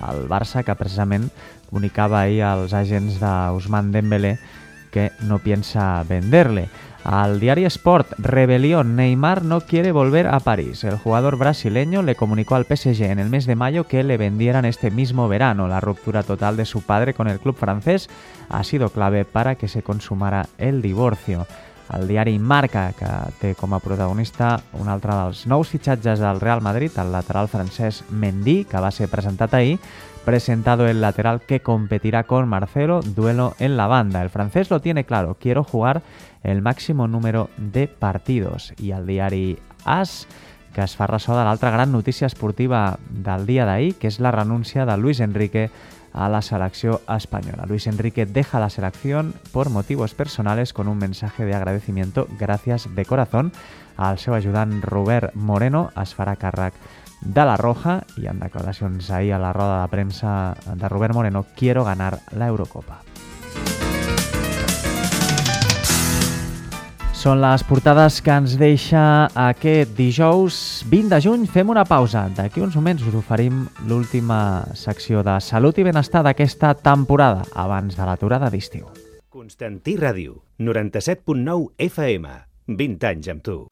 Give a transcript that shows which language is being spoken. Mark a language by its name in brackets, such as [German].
[Catalan] El Barça, que precisament comunicava ahir als agents d'Ousmane Dembélé que [Spanish] no piensa venderle. Al diario Sport, rebelión, Neymar no quiere volver a París. El jugador brasileño le comunicó al PSG en el mes de mayo que le vendieran este mismo verano. La ruptura total de su padre con el club francés ha sido clave para que se consumara el divorcio. [Catalan] Al diario Marca, que té com a protagonista un altre dels nous fitxatges del Real Madrid, el lateral francès Mendy, que va ser presentat ahir, [Spanish] presentado el lateral que competirá con Marcelo, duelo en la banda. El francés lo tiene claro, quiero jugar el máximo número de partidos. [Catalan] I al diari AS, que es fa ressò de l'altra gran notícia esportiva del dia d'ahir, que és la renúncia de Luis Enrique a la selecció espanyola. [Spanish] Luis Enrique deja la selección por motivos personales con un mensaje de agradecimiento, gracias de corazón, [Catalan] al seu ajudant Robert Moreno, es farà càrrec de la Roja, i en declaracions ahir a la roda de premsa de Robert Moreno, [Spanish] quiero ganar la Eurocopa. [Catalan] Són les portades que ens deixa aquest dijous 20 de juny. Fem una pausa. D'aquí uns moments us oferim l'última secció de salut i benestar d'aquesta temporada, abans de l'aturada d'estiu. Constantí Ràdio, 97.9 FM. 20 anys amb tu.